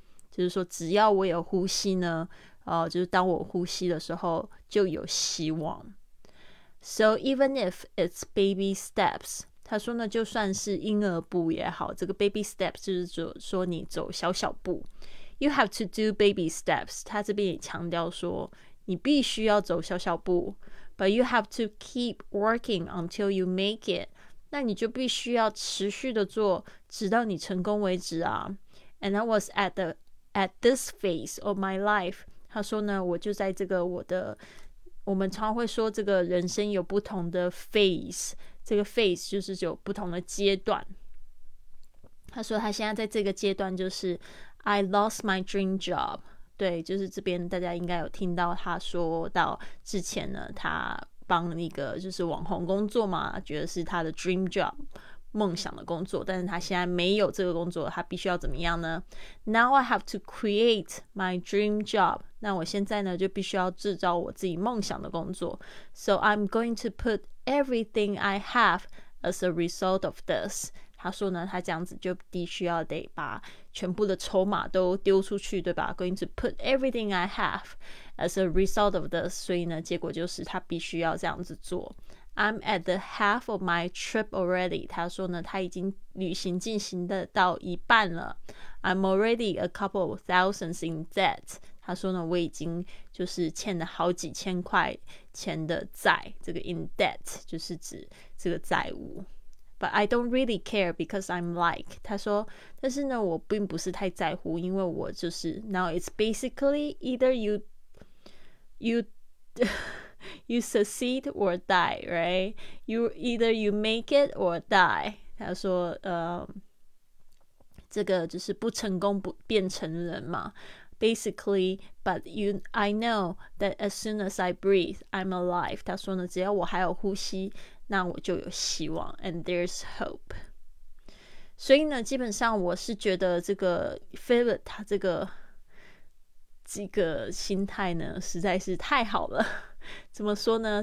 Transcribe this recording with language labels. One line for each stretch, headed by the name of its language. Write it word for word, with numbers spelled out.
Chinese: 就是说只要我有呼吸呢，呃，就是当我呼吸的时候就有希望。
English: So even if it's baby steps,
Chinese: 他说呢，就算是婴儿步也好，这个 baby steps 就是说你走小小步。
English: You have to do baby steps.
Chinese: 他这边也强调说，你必须要走小小步。
English: But you have to keep working until you make it.
Chinese: 那你就必须要持续的做，直到你成功为止啊。
English: And I was at the at this phase of my life.
Chinese: 他说呢，我就在这个我的，我们常会说这个人生有不同的 phase， 这个 phase 就是有不同的阶段。他说他现在在这个阶段就是。
English: I lost my dream job.
Chinese: 对，就是这边大家应该有听到他说到之前呢，他帮一个就是网红工作嘛，觉得是他的 dream job 梦想的工作，但是他现在没有这个工作，他必须要怎么样呢？
English: Now I have to create my dream job.
Chinese: 那我现在呢就必须要制造我自己梦想的工作。
English: So I'm going to put everything I have as a result of this.
Chinese: 他说呢，他这样子就必须要得把全部的筹码都丢出去，对吧？
English: Going to put everything I have as a result of this.
Chinese: 所以呢，结果就是他必须要这样子做。
English: I'm at the half of my trip already.
Chinese: 他说呢，他已经旅行进行的到一半了。
English: I'm already a couple of thousands in debt.
Chinese: 他说呢，我已经就是欠了好几千块钱的债。这个 in debt 就是指这个债务。
English: But I don't really care because I'm like
Chinese: 他说，但是呢，我并不是太在乎，因为我就是
English: now it's basically either you you you succeed or die, right? You either you make it or die.
Chinese: 他说，呃，这个就是不成功不变成人嘛。
English: Basically, but you, I know that as soon as I breathe, I'm alive.
Chinese: 他说呢，只要我还有呼吸。那我就有希望
English: and there's hope.
Chinese: 所以呢，基本上我是觉得这个 Philip 他这个这个心态呢，实在是太好了。怎么说呢？